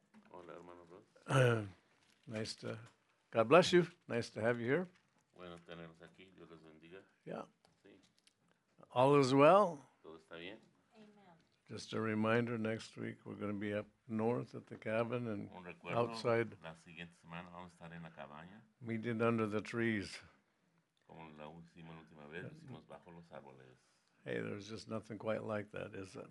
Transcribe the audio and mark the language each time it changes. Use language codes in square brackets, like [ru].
[es] Hola, hermano Russ. [en] Nice to, God bless you. Nice to have you here. [es] Bueno, tenemos aquí. Dios los bendiga. [en] Yeah. Sí. All is well. [es] Todo está bien. [en] Amen. Just a reminder, next week we're going to be up north at the cabin and [es] un recuerdo, [en] outside. [es] La siguiente semana vamos a estar en la cabaña. [en] Meeting under the trees. [es] Como la última, última vez, hicimos bajo los árboles. [en] Hey, there's just nothing quite like that, is it?